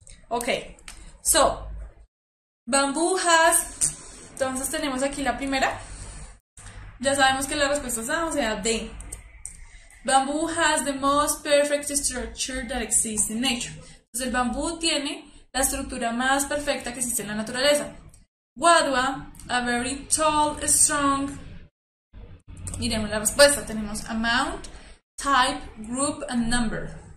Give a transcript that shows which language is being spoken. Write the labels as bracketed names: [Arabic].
[English] Okay, so, Bamboo has, [Spanish] entonces tenemos aquí la primera. Ya sabemos que la respuesta es, o sea, de. [English] Bamboo has the most perfect structure that exists in nature. [Spanish] Entonces, el bambú tiene la estructura más perfecta que existe en la naturaleza. [English] Guadua, a very tall, strong. [Spanish] Miremos la respuesta. Tenemos [English] amount, type, group, and number.